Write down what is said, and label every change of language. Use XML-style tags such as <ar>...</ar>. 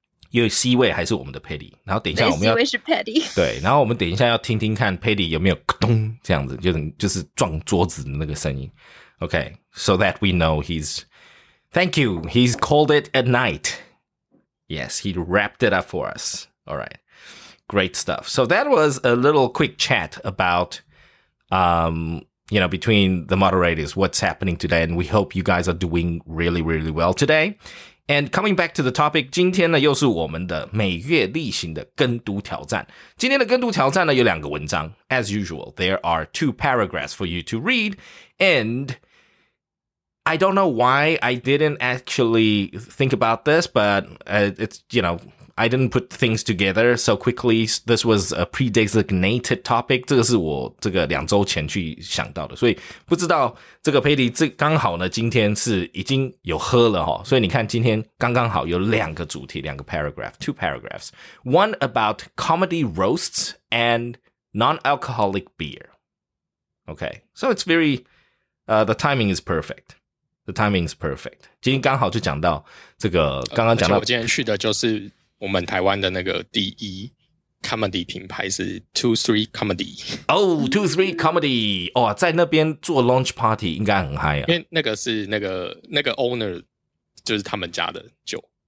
<zh>因为 C 位还是我们的 Patty, 然后等一下我们要 C 位是 Patty, 对，然后我们等一下要听听看 Patty 有没有咕咚这样子，就是撞桌子的那个声音。</zh> <en>OK, so that we know Thank you, he's called it at night. Yes, he wrapped it up for us. Alright, great stuff. So that was a little quick chat about, you know, between the moderators, what's happening today, and we hope you guys are doing really, really well today. And coming back to the topic,</en> <zh>今天呢又是我们的每月例行的跟读挑战。今天的跟读挑战呢有两个文章。</zh> <en>As usual, there are two paragraphs for you to read, andI don't know why I didn't actually think about this, but it's, you know, I didn't put things together so quickly. This was a pre-designated topic.</en> <zh>这个是我这个两周前去想到的，所以不知道这个 Patty 这刚好呢，今天是已经有喝了哈，所以你看今天刚刚好有两个主题，两个 paragraph,</zh> <en>two paragraphs. One about comedy roasts and non-alcoholic beer. Okay, so it's very, the timing is perfect. The timing is perfect.</en> <zh>今天刚好就讲到这个，刚刚讲到我今天去的就是我们台湾的那个第一 comedy 品牌是 Two Three Comedy。 Two Three Comedy， 哇、哦，在那边做 launch party 应该很嗨啊，因为那个是那个 owner 就是他们家的酒</zh>